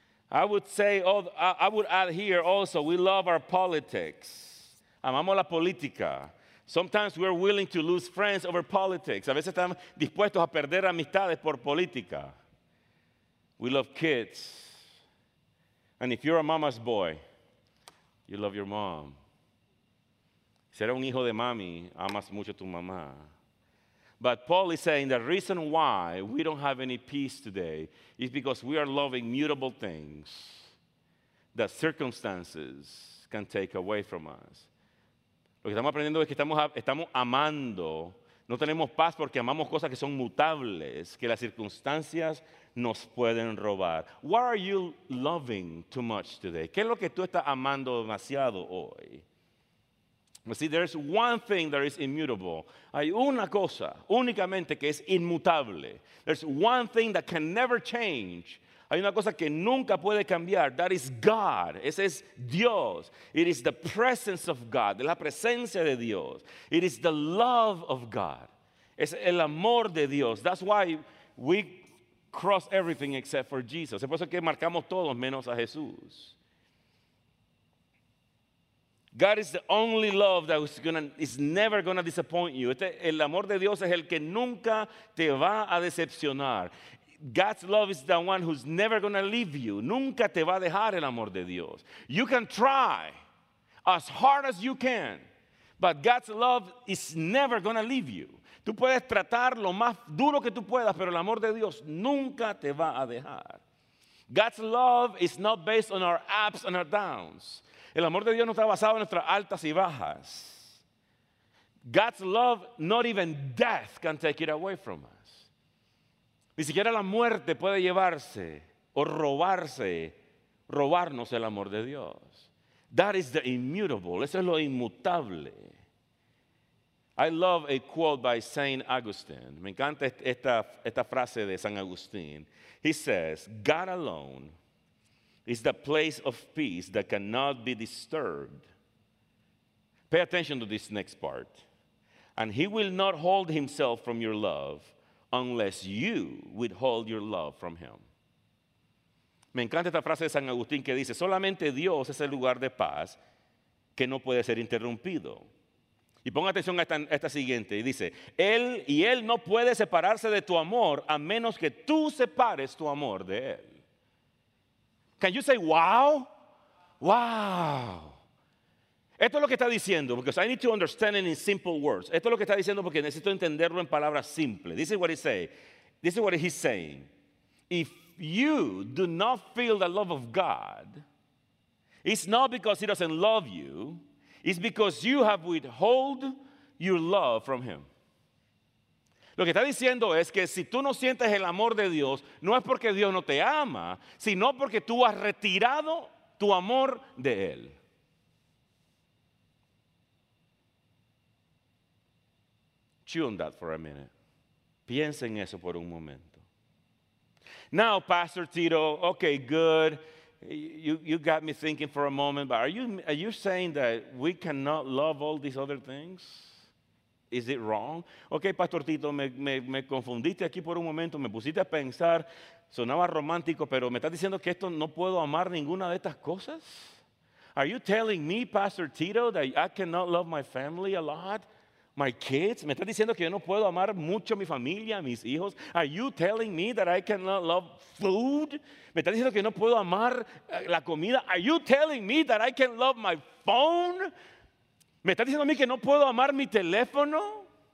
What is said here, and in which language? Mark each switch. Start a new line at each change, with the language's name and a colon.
English: I would say, I would add here also, we love our politics.
Spanish: Amamos la política.
English: Sometimes we're willing to lose friends over politics.
Spanish: A veces estamos dispuestos a perder amistades por política.
English: We love kids. And if you're a mama's boy, you love your mom.
Spanish: Si eres un hijo de mami, amas mucho a tu mamá.
English: But Paul is saying the reason why we don't have any peace today is because we are loving mutable things that circumstances can take away from us.
Spanish: Lo que estamos aprendiendo es que estamos amando. No tenemos paz porque amamos cosas que son mutables, que las circunstancias nos pueden robar.
English: What are you loving too much today?
Spanish: ¿Qué es lo que tú estás amando demasiado hoy?
English: But see, there's one thing that is immutable.
Spanish: Hay una cosa únicamente que es inmutable.
English: There's one thing that can never change.
Spanish: Hay una cosa que nunca puede cambiar.
English: That is God.
Spanish: Ese es Dios.
English: It is the presence of God.
Spanish: La presencia de Dios.
English: It is the love of God.
Spanish: Es el amor de Dios.
English: That's why we cross everything except for Jesus.
Spanish: Es por eso que marcamos todos menos a Jesús.
English: God is the only love that is never going to disappoint you.
Spanish: El amor de Dios es el que nunca te va a decepcionar.
English: God's love is the one who's never going to leave you.
Spanish: Nunca te va a dejar el amor de Dios.
English: You can try as hard as you can, but God's love is never going to leave you.
Spanish: Tú puedes tratar lo más duro que tú puedas, pero el amor de Dios nunca te va a dejar.
English: God's love is not based on our ups and our downs.
Spanish: El amor de Dios no está basado en nuestras altas y bajas.
English: God's love, not even death can take it away from us.
Spanish: Ni siquiera la muerte puede llevarse o robarnos el amor de Dios.
English: That is the immutable.
Spanish: Eso es lo inmutable.
English: I love a quote by Saint Augustine.
Spanish: Me encanta esta frase de San Agustín.
English: He says, God alone is the place of peace that cannot be disturbed. Pay attention to this next part. And he will not hold himself from your love unless you withhold your love from him.
Spanish: Me encanta esta frase de San Agustín que dice, solamente Dios es el lugar de paz que no puede ser interrumpido. Y ponga atención a esta siguiente. Y dice, él no puede separarse de tu amor a menos que tú separes tu amor de él.
English: Can you say wow? Wow.
Spanish: Esto es lo que está diciendo,
English: because I need to understand it in simple words.
Spanish: Esto es lo que está diciendo porque necesito entenderlo en palabras simples.
English: This is what he's saying. This is what he's saying. If you do not feel the love of God, it's not because he doesn't love you. It's because you have withheld your love from him.
Spanish: Lo que está diciendo es que si tú no sientes el amor de Dios, no es porque Dios no te ama, sino porque tú has retirado tu amor de Él.
English: Chew on that for a minute.
Spanish: Piensa en eso por un momento.
English: Now, Pastor Tito, okay, good. You got me thinking for a moment, but are you saying that we cannot love all these other things? Is it wrong?
Spanish: Okay, Pastor Tito, me confundiste aquí por un momento, me pusiste a pensar, sonaba romántico, pero me estás diciendo que esto no puedo amar ninguna de estas cosas?
English: Are you telling me, Pastor Tito, that I cannot love my family a lot? My kids?
Spanish: Me estás diciendo que yo no puedo amar mucho mi familia, mis hijos?
English: Are you telling me that I cannot love food?
Spanish: Me estás diciendo que yo no puedo amar la comida?
English: Are you telling me that I can love my phone?
Spanish: ¿Me estás diciendo a mí que no puedo amar mi teléfono?